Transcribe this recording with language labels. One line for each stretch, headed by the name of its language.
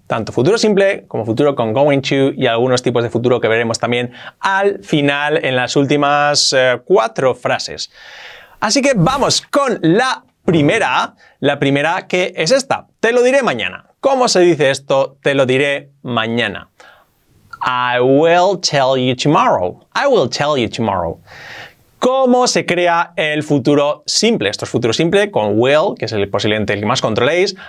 Spanish: Tanto futuro simple como futuro con going to y algunos tipos de futuro que veremos también al final en las últimas 4 frases. Así que vamos con la primera que es esta. Te lo diré mañana. ¿Cómo se dice esto? Te lo diré mañana.
English: I will tell you tomorrow. I will tell you tomorrow.
Spanish: ¿Cómo se crea el futuro simple? Esto es futuro simple con will, que es el posiblemente el que más controléis.